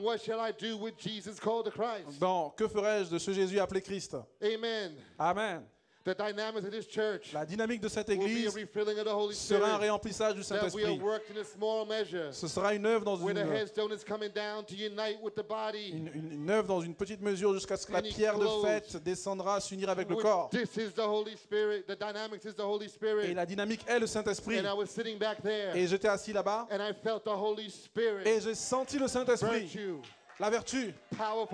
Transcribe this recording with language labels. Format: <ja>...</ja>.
<en>What shall I do with Jesus called the Christ?</en> <fr>Bon, que ferais-je de ce Jésus appelé Christ?</fr> <en>Amen.</en> <fr>Amen.</fr> <en>The dynamics of this church,</en> <fr>la dynamique de cette église</fr> <en>will be a refilling of the Holy Spirit,</en> <fr>sera un réemplissage du Saint-Esprit.</fr> <en>That we have worked in a small measure,</en> <fr>ce sera une œuvre dans</fr> <en>where the headstone is coming down to unite with the body,</en> <fr>une œuvre dans une petite mesure jusqu'à ce que la pierre de fête descendra à s'unir avec le corps.</fr> <en>This is the Holy Spirit. The dynamics is the Holy Spirit.</en> <fr>Et la dynamique est le Saint-Esprit.</fr> <en>And I was sitting back there,</en> <fr>et j'étais assis là-bas.</fr> <en>And I felt the Holy Spirit.</en> <fr>Et j'ai senti le Saint-Esprit. La vertu,</fr> <en>power for</en>